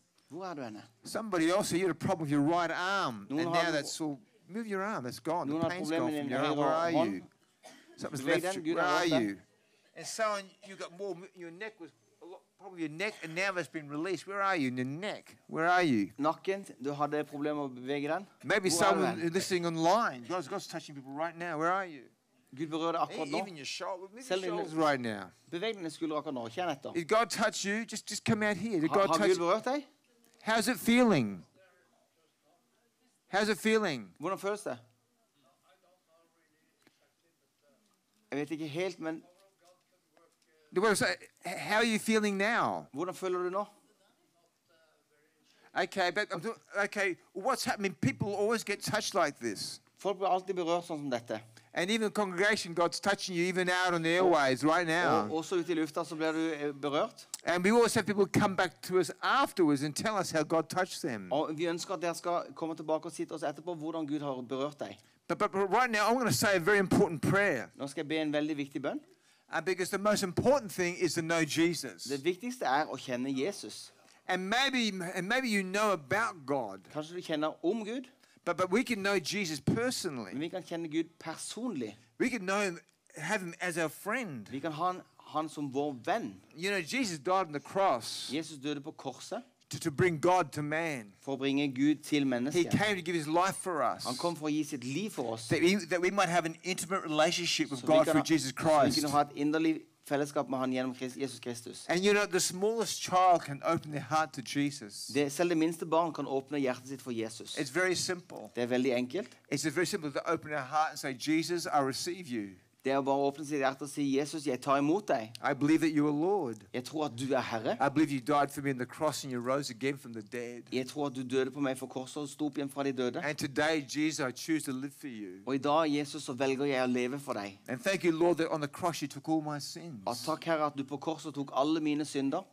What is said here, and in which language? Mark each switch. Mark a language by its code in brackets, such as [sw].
[no] Hvor du henne? [en] Somebody else, you had a problem with your right arm. Noen and now that's all. Move your arm, that's gone. Noen the pain's gone from your arm. Where are you? Something's left. Where are you? And someone, you got more, your neck was a lot, probably your neck, and now it's been released. Where are you? In the neck. Where are you? [no] Nakken, du hadde problemer med å bevege den. [en] Maybe someone listening online. God's touching people right now. Where are you? [no] Gud berører deg akkurat nå. [en] Even your shoulders right now. [no] Beveg dine skuldre akkurat nå. Kjenn etter. [en] Did God touch you? Just come out here. Did God touch you? [no] Har Gud berørt deg? [en] How's it feeling? How's it feeling? [no] Hvordan føles det? Jeg vet ikke helt, men... [en] How are you feeling now? [no] Hvordan føler du nå? [en] Okay, but I'm doing... Okay, what's happening? People always get touched like this. [no] Folk blir alltid berørt sånn som dette. [en] And even the congregation, God's touching you even out on the airways right now. [no] Også ute I lufta så blir du berørt. [en] And we always have people come back to us afterwards and tell us how God touched them. [no] Og vi ønsker at dere skal komme tilbake og si til oss etterpå hvordan Gud har berørt deg. [en] But right now, I'm going to say a very important prayer. [no] Nå skal jeg be en veldig viktig bønn. [en] And because the most important thing is to know Jesus. [no] Det viktigste å kjenne Jesus. [en] And maybe you know about God. [no] Kanskje du kjenner om Gud. [en] But we can know Jesus personally. [no] Men vi kan kjenne Gud personlig. [en] We can know him, have him as our friend. [no] Vi kan ha han som vår venn. [en] You know, Jesus died on the cross. [no] Jesus døde på korset. [en] To bring God to man. [no] For å bringe Gud til mennesket. [en] He came to give his life for us. [no] Han kom for å gi sitt liv for oss. [en] That we might have an intimate relationship with God through Jesus Christ. [no] Så vi kan ha et inderlig fellesskap med han gjennom Jesus Kristus. [en] And you know, the smallest child can open their heart to Jesus. [no] Selv det minste barn kan åpne hjertet sitt for Jesus. [en] It's very simple. [no] Det veldig enkelt. [en] It's very simple to open their heart and say, Jesus, I receive you. [no] Det bare åpne sitt hjerte og si, Jesus, jeg tar imot deg. [en] I believe that you are Lord. [no] Jeg tror at du Herre. [en] I believe you died for me on the cross and you rose again from the dead. [no] Jeg tror at du døde på meg for korset og stod opp igjen fra de døde. [en] And today, Jesus, I choose to live for you. [no] Og I dag, Jesus, så velger jeg å leve for deg. [en] And thank you, Lord, that on the cross you took all my sins. [no] Og takk, Herre, at du på korset tok alle mine synder.